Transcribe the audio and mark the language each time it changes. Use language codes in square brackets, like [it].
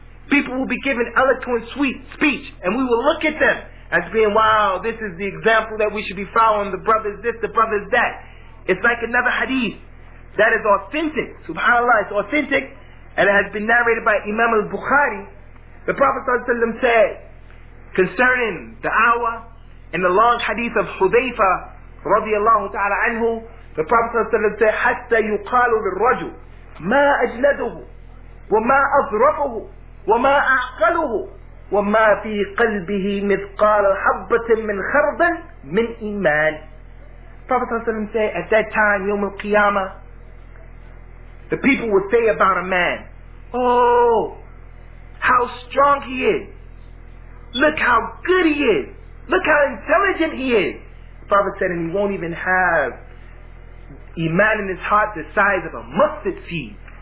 [en] People will be given eloquent sweet speech, and we will look at them as being, wow, this is the example that we should be following, the brother is this, the brother is that. It's like another hadith that is authentic. SubhanAllah, it's authentic, and it has been narrated by Imam al-Bukhari. The Prophet ﷺ said, concerning the hour, in the long hadith of Hudhayfa radiallahu ta'ala anhu, the Prophet ﷺ said, [ar] حَتَّى يُقَالُ لِلْرَجُلُ مَا أَجْلَدُهُ وَمَا أَظْرَفُهُ وَمَا أَعْقَلُهُ وَمَا فِي قَلْبِهِ مِثْقَالَ حَبَّةٍ مِنْ خَرْضٍ مِنْ إِيمَانٍ. [en] Prophet ﷺ said, at that time, Yawm al-Qiyamah, the people would say about a man, oh, how strong he is. Look how good he is. Look how intelligent he is. Prophet said, and he won't even have iman in his heart the size of a mustard seed.